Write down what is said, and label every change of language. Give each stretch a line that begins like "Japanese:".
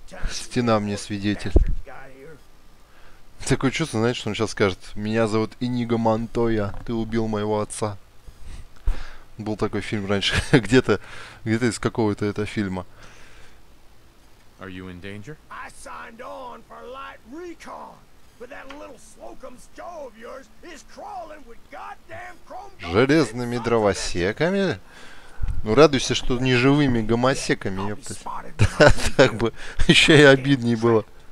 Russian: Стена мне свидетель. Такое чувство, знаете, что он сейчас скажет: меня зовут Иниго Монтойя, ты убил моего отца. Был такой фильм раньше, где-то из какого-то это фильма.
English: Are you in danger? I signed on for light recon, but that little Slocum's jaw of yours is crawling with goddamn chrome.
Russian: Железными дровосеками? Ну радуйся, что не живыми гомосеками, ёпта. Так бы еще и обиднее было.